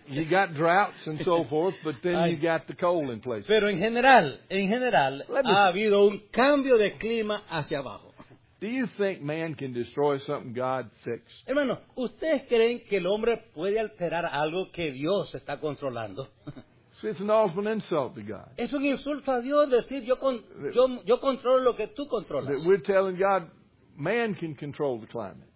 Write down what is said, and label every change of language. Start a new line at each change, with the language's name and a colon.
English: You got droughts and so forth, but then you got the coal in place.
Spanish: Pero en general, ha habido un cambio de clima hacia abajo.
English: Do you think man can destroy something God fixed?
Spanish: Hermano, ¿ustedes creen que el hombre puede alterar algo que Dios está controlando?
English: See, it's an awful insult to God.
Spanish: Es un insulto a Dios decir, yo controlo lo que tú controlas.
English: That we're telling God, man can control the climate.